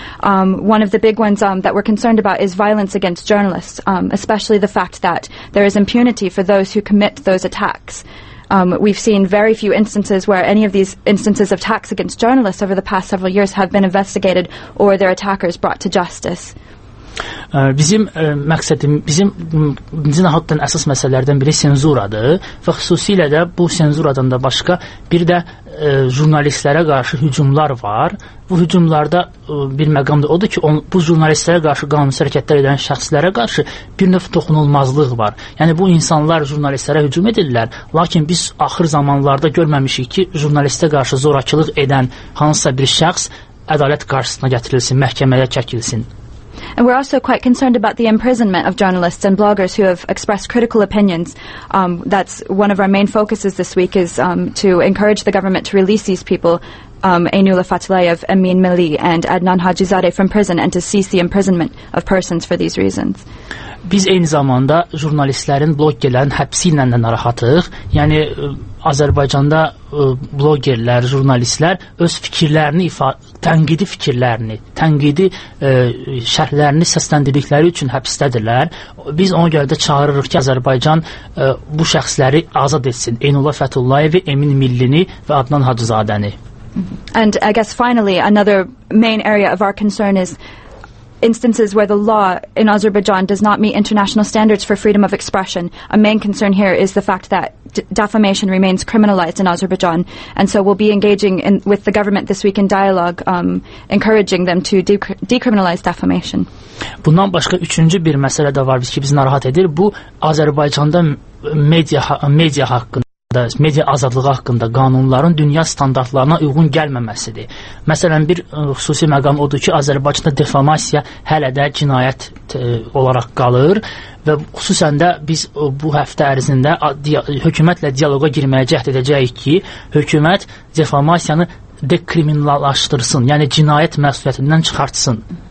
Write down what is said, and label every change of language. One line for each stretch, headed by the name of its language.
English: One of the big ones that we're concerned about is violence against journalists, especially the fact that there is impunity for those who commit those attacks. We've seen very few instances where any of these instances of attacks against journalists over the past several years have been investigated or their attackers brought to justice.
Azerbaijani: Bizim məqsədim, bizim cinahatdan əsas məsələlərdən biri senzuradır və xüsusilə də bu senzuradan da başqa bir də jurnalistlərə qarşı hücumlar var. Bu hücumlarda bir məqam da odur ki, bu jurnalistlərə qarşı qanunsuz hərəkətlər edən şəxslərə qarşı bir növ toxunulmazlıq var. Yəni, bu insanlar jurnalistlərə hücum edirlər, lakin biz axır zamanlarda görməmişik ki, jurnalistə qarşı zorakılıq edən hansısa bir şəxs ədalət qarşısına gətirilsin, məhkəməyə çəkilsin.
English: And we're also quite concerned about the imprisonment of journalists and bloggers who have expressed critical opinions. That's one of our main focuses this week, is to encourage the government to release these people, Aynullah Fatilayev, Emin Mili and Adnan Hajizadeh, from prison and to cease the imprisonment of persons for these reasons.
Azerbaijani: Biz eyni zamanda jurnalistlərin, bloggerlərin həbsi ilə də narahatıq. Yəni, Azərbaycanda bloggerlər, jurnalistlər öz fikirlərini, tənqidi fikirlərini, tənqidi şərhlərini səsləndirdikləri üçün həbsdədirlər. Biz ona görə də çağırırıq ki, Azərbaycan bu şəxsləri azad etsin. Aynullah Fətullayevi, Emin Millini və Adnan Hacızadəni.
English: And I guess finally, another main area of our concern is instances where the law in Azerbaijan does not meet international standards for freedom of expression. A main concern here is the fact that defamation remains criminalized in Azerbaijan, and so we'll be engaging with the government this week in dialogue, encouraging them to decriminalize defamation.
Azerbaijani: Bundan başqa üçüncü bir məsələ də var ki, bizi narahat edir. Bu Azərbaycanda media haqqında, media azadlığı haqqında qanunların dünya standartlarına uyğun gəlməməsidir. Məsələn, bir xüsusi məqam odur ki, Azərbaycanda defamasiya hələ də cinayət olaraq qalır və xüsusən də biz bu həftə ərzində hökumətlə dialoqa girməyə cəhd edəcəyik ki, hökumət defamasiyanı dekriminallaşdırsın, yəni cinayət məsuliyyətindən çıxartsın.